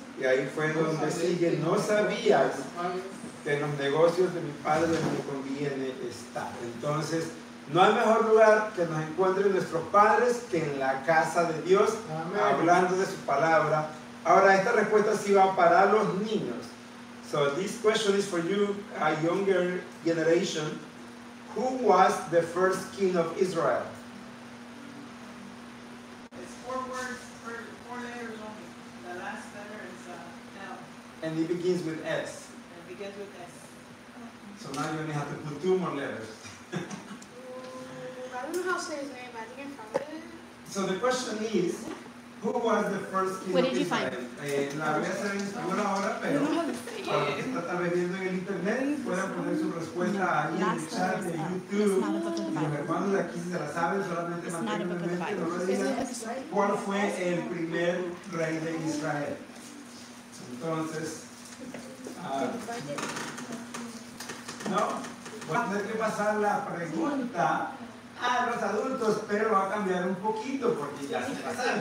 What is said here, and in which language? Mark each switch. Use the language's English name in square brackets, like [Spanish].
[Spanish] Y ahí fue donde sigue: no sabías que en los negocios de mi padre me conviene estar. Entonces, no hay mejor lugar que nos encuentren nuestros padres que en la casa de Dios, hablando de su palabra. Ahora, esta respuesta sí va para los niños. [English] So, this question is for you, a younger generation. Who was the first king of Israel? It's four words, four letters only. The last letter is L. And it begins with S. It begins with S. So now you only have to put two more letters. I don't know how to say his name, but I think I found it. So the question is, who was the first king what of Israel? What did you find? [Spanish] La voy a hacer en español ahora, pero para los que están tal vez viendo en el internet, pueden poner su respuesta ahí en el chat de YouTube. Y los hermanos de aquí, si se la saben, solamente mantengan en mente, no lo digan. ¿Cuál fue el primer rey de Israel? Entonces, no, voy a tener que pasar la pregunta a los adultos, pero va a cambiar un poquito porque ya se pasaron.